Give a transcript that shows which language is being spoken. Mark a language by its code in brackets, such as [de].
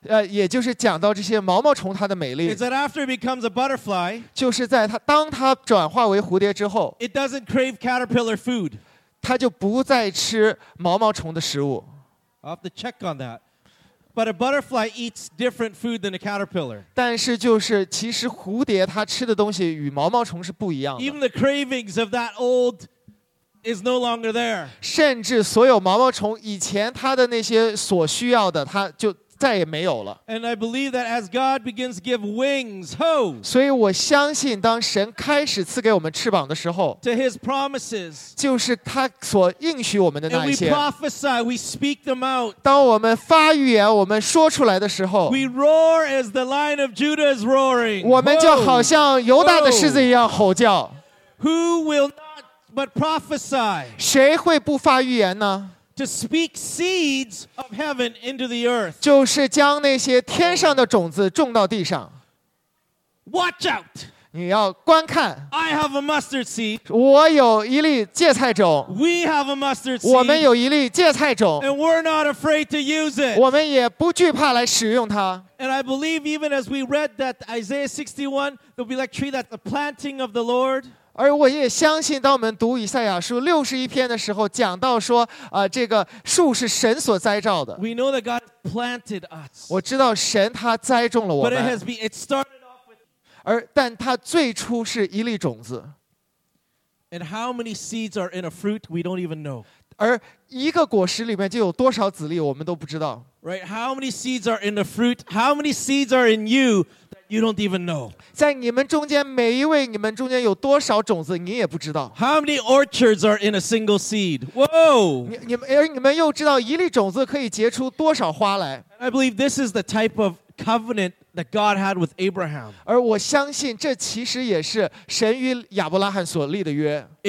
[zh] 也就是讲到这些毛毛虫它的美丽 [en] is that after it becomes a butterfly, [zh] 就是在它当它转化为蝴蝶之后 [en] it doesn't crave caterpillar food. [zh] 它就不再吃毛毛虫的食物 [en] I'll have to check on that. But a butterfly eats different food than a caterpillar. [zh] 但是就是其实蝴蝶它吃的东西与毛毛虫是不一样的 [en] Even the cravings of that old... is no longer there. [zh] 甚至所有毛毛虫以前它的那些所需要的，它就再也没有了。 [en] And I believe that as God begins to give wings, ho. [zh] 所以我相信，当神开始赐给我们翅膀的时候 [en] ，to His promises, [zh] 就是他所应许我们的那一些。 [en] And we prophesy, we speak them out. [zh] 当我们发预言，我们说出来的时候 [en] ，we roar as the Lion of Judah is roaring. [zh] 我们就好像犹大的狮子一样吼叫。 [en] Who will not? But prophesy. [zh] 谁会不发预言呢 [en] ？To speak seeds of heaven into the earth. [zh] 就是将那些天上的种子种到地上。 [en] Watch out. [zh] 你要观看。 [en] I have a mustard seed. [zh] 我有一粒芥菜种。 [en] We have a mustard seed. [zh] 我们有一粒芥菜种。 [en] And we're not afraid to use it. [zh] 我们也不惧怕来使用它。 [en] And I believe even as we read that Isaiah 61, there'll be like tree that the planting of the Lord. [zh] 而我也相信当我们读以赛亚书六十一篇的时候讲到说这个树是神所栽种的。 [en] We know that God planted us. [zh] 我知道神他栽种了我们。 [en] But it started off with... [zh] 但它最初是一粒种子。 [en] And how many seeds are in a fruit we don't even know. [zh] 而一个果实里面就有多少籽粒我们都不知道。 [en] Right, how many seeds are in the fruit? How many seeds are in you? You don't even know. [zh] 在你们中间每一位，你们中间有多少种子，你也不知道。 [en] How many orchards are in a single seed? Whoa! [zh] 你们又知道一粒种子可以结出多少花来 [en] ？I believe this is the type of covenant that God had with Abraham. [zh] 而我相信这其实也是神与亚伯拉罕所立的约。